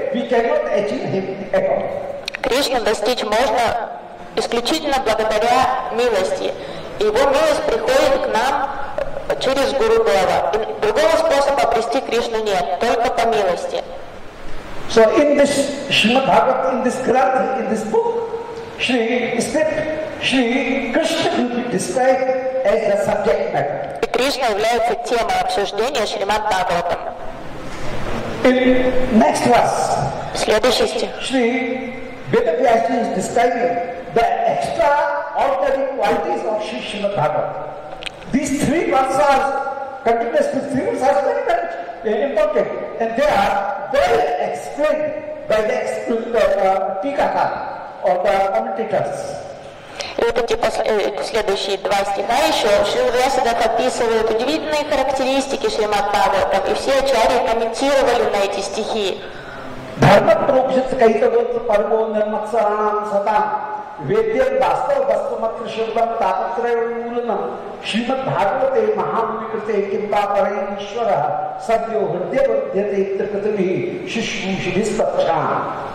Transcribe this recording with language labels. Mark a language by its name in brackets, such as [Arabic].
[Russian] Кришну достичь можно исключительно благодаря милости. Его милость приходит к нам через Гурудева. Другого способа обрести Кришну нет, только по милости. [English] So in this Srimad Bhagavatam, in this Granth, in this book, Krishna will be described as the subject matter. [Russian] И Кришна является темой обсуждения Шримад Бхагаватам. [English] In next verse, [Russian] следующий стих. [English] Vedavyasa is describing the extraordinary qualities of Shri Srimad Bhagavatam. These three verses are continuous to three verses are very, very important. And they are well explained by the Tikaka or the commentators. [Russian] Вот эти следующие два стиха еще. Шриваса описывают удивительные характеристики Шримад Бхагаватам, и все ачарьи комментировали на эти стихи. [Sanskrit] Dharma Prokshit Kaitavat Parvo Nirmatsaranam Satam Vedya Vastav Vastamat Krishirvam Tapatraya Mulanam Srimad Bhagavate Mahamunikrte Kimpa Parayishwara Sadyo Hridya Vardhyate Itrkatami Shishu Shri Satcham.